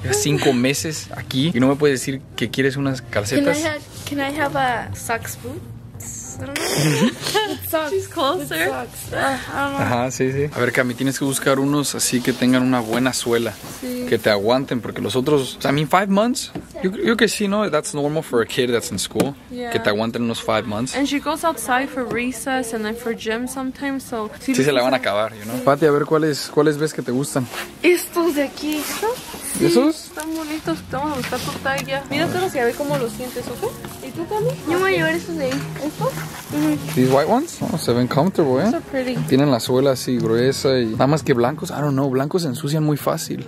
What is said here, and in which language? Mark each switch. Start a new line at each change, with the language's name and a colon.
Spanish: 5 meses aquí. ¿Y no me puedes decir que quieres unas calcetas?
English: Can I have a socks boots? She's closer.
Spanish: Sí. A ver, Cami, tienes que buscar unos así que tengan una buena suela. Sí. Que te aguanten, porque los otros...
English: I mean, 5 months?
Spanish: Yo que sí, ¿no?
English: That's normal for a kid that's in school. Yeah.
Spanish: Que te aguanten unos
English: 5 months. And she goes outside for recess and then for gym sometimes, so...
Spanish: Sí, se la van a acabar,
English: you know?
Spanish: Sí. Pati, a ver, ¿cuáles ves que te gustan? Estos de aquí. ¿Eso? Sí, ¿esos? Están bonitos, te vamos a gustar tu talla. Míratelos y a ver cómo los sientes, ¿ok? ¿Y tú, Cami? Yo voy a llevar esos de ahí. ¿Estos? Mm-hmm.
English: These white ones?
Spanish: Oh, se ven comfortable, ¿eh?
English: So pretty.
Spanish: Tienen la suela así gruesa y... Nada más que blancos,
English: I don't know,
Spanish: blancos se ensucian muy fácil.